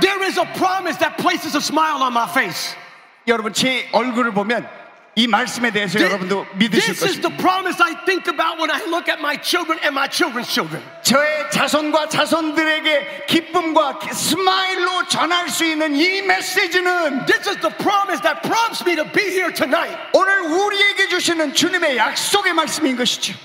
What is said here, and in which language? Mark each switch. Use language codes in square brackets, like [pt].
[en] There is a promise that places a smile on my face. [ko] 여러분 제 얼굴을 보면 이 말씀에 대해서 여러분도 믿으실 것입니다. [en] This is the promise I think about when I look at my children and my children's children. [ko] 저의 자손과 자손들에게 기쁨과 스마일로 전할 수 있는 이 메시지는 [en] This is the promise that prompts me to be here tonight. [ko] 오늘 우리에게 주시는 주님의 약속의 말씀인 것이죠.